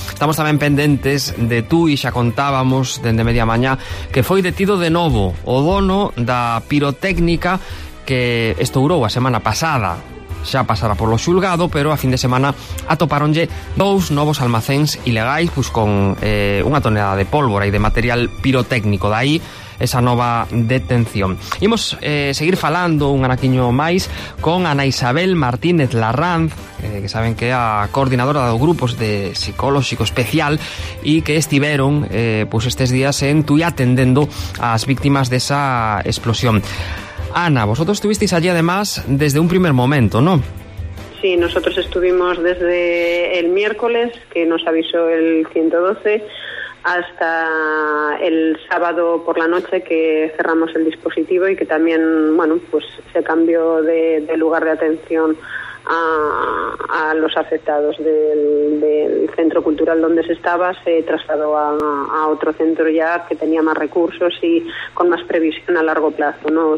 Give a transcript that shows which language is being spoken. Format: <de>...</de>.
<gl>Estamos tamén pendentes de tú e xa contábamos dende media mañá que foi detido de novo o dono da pirotécnica que estourou a semana pasada. Xa pasara polo xulgado, pero a fin de semana atoparonlle dous novos almacéns ilegais, pois con unha tonelada de pólvora e de material pirotécnico. De aí esa nova detención. Imos seguir falando un anaquiño máis con Ana Isabel Martínez Larranz, que saben que é a coordinadora do grupos de psicolóxico especial e que estiveron pois estes días en Tui atendendo as víctimas desa explosión.</gl> <es>Ana, vosotros estuvisteis allí además desde un primer momento, ¿no? Sí, nosotros estuvimos desde el miércoles, que nos avisó el 112, hasta el sábado por la noche, que cerramos el dispositivo y que también, bueno, pues se cambió de lugar de atención a los afectados del centro cultural donde se estaba, se trasladó a otro centro ya que tenía más recursos y con más previsión a largo plazo, ¿no?</es>